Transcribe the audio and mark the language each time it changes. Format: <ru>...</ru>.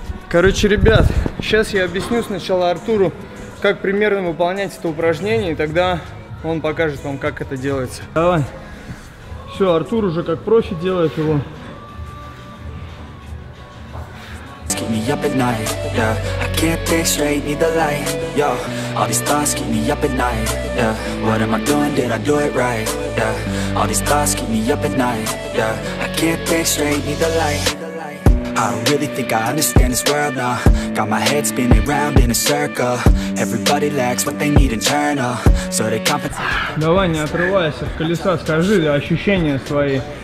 <ru>Короче, ребят, сейчас я объясню сначала Артуру, как примерно выполнять это упражнение, и тогда он покажет вам, как это делается. Давай. Все, Артур уже как профи делает его.</ru> <en>keep me up at night, yeah. I can't think straight, need the light, yo. All these thoughts keep me up at night, yeah. What am I doing, did I do it right, yeah. All these thoughts keep me up at night, yeah. I can't think straight, need the light. I don't really think I understand this world, nah. Got my head spinning round in a circle. Everybody lacks what they need internal. So they compensate.</en> <ru>Давай, не отрывайся от колеса, скажи ощущения свои.</ru>